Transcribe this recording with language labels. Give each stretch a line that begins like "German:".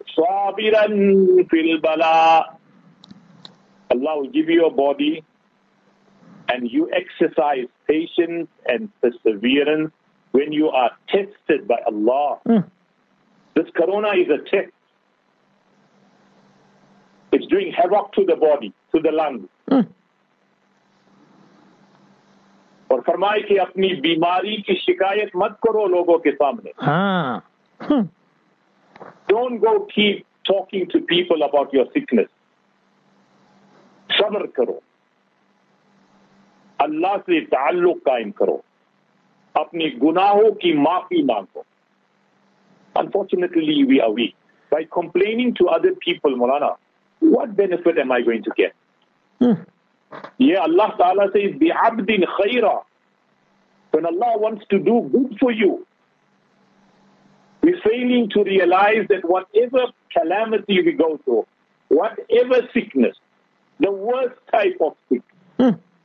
Arabic: sabiran fil bala.
English: Allah will give you a body and you exercise patience and perseverance when you are tested by Allah. This corona is a test. It's doing havoc to the body, to the lungs.
Urdu: اور فرمائے کہ اپنی بیماری کی شکایت مت کرو لوگوں کے سامنے.
English: Don't go keep talking to people about your sickness.
Urdu: صبر کرو. اللہ سے تعلق قائم کرو. اپنی گناہوں کی معافی مانگو.
English: Unfortunately, we are weak. By complaining to other people, Maulana, what benefit am I going to get? Yeah, Allah Ta'ala says,
Arabic: بِعَبْدٍ خَيْرًا.
English: When Allah wants to do good for you, we're failing to realize that whatever calamity we go through, whatever sickness, the worst type of sickness.